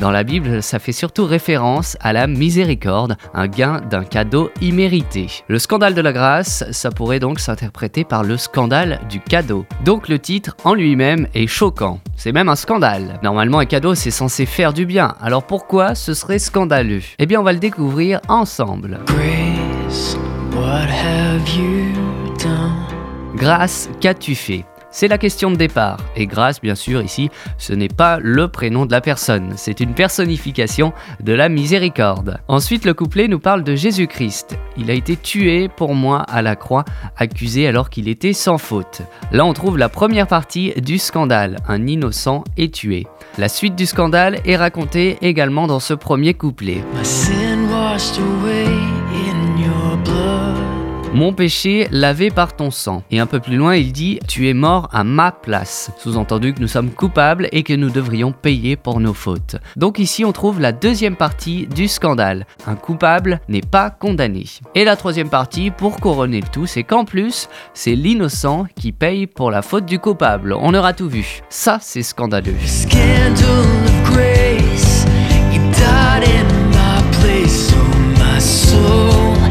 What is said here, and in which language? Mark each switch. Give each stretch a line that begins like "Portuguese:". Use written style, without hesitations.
French: Dans la Bible, ça fait surtout référence à la miséricorde, un gain d'un cadeau immérité. Le scandale de la grâce, ça pourrait donc s'interpréter par le scandale du cadeau. Donc le titre en lui-même est choquant. C'est même un scandale. Normalement, un cadeau, c'est censé faire du bien. Alors pourquoi ce serait scandaleux? Eh bien, on va le découvrir ensemble.
English: Grace, what have you done?
French: Grâce, qu'as-tu fait? C'est la question de départ. Et grâce, bien sûr, ici, ce n'est pas le prénom de la personne. C'est une personnification de la miséricorde. Ensuite, le couplet nous parle de Jésus-Christ. Il a été tué pour moi à la croix, accusé alors qu'il était sans faute. Là, on trouve la première partie du scandale. Un innocent est tué. La suite du scandale est racontée également dans ce premier couplet.
English: My sin washed away in your blood.
French: Mon péché lavé par ton sang. Et un peu plus loin, il dit « Tu es mort à ma place », sous-entendu que nous sommes coupables et que nous devrions payer pour nos fautes. Donc ici, on trouve la deuxième partie du scandale. Un coupable n'est pas condamné. Et la troisième partie, pour couronner le tout, c'est qu'en plus, c'est l'innocent qui paye pour la faute du coupable. On aura tout vu. Ça, c'est scandaleux.
English: Scandal of grace, you died in my place, oh my soul.